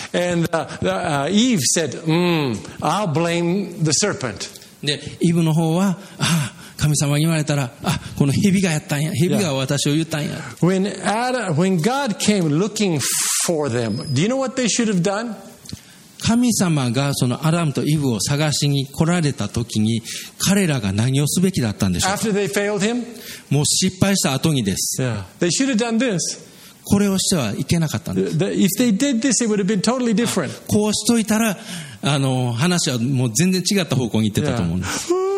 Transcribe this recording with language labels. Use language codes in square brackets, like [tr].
[en] And Eve said, I'll blame the serpent. [ja] で、イブの方は、神様に言われたら、この蛇がやったんや、蛇が私を言ったんや。 [en] When God came looking for them, do you know what they should have done? [ja] 神様がそのアダムとイブを探しに来られた時に彼らが何をすべきだったんでしょう。 [en] After they failed him? [ja] もう失敗した後にです、 [en] yeah. They should have done this. [ja] これをしてはいけなかったんです。 [en] If they did this, it would have been totally different. [ja] こうしといたら話はもう全然違った方向に行ってたと思うんです。